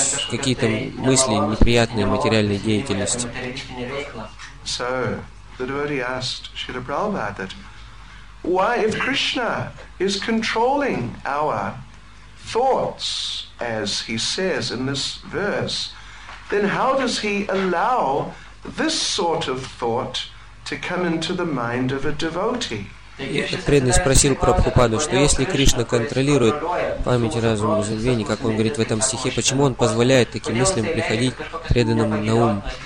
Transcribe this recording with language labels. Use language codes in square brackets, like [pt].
[ru] Какие-то мысли неприятные материальной деятельности. [en] So, the devotee asked Srila Prabhupada that why if Krishna is controlling our thoughts, as he says in this verse, then how does he allow this sort of thought to come into the mind of a devotee? [ru] Преданный спросил Прабхупаду, что если Кришна контролирует память, разум и забвение, как он говорит в этом стихе, почему он позволяет таким мыслям приходить преданному на ум?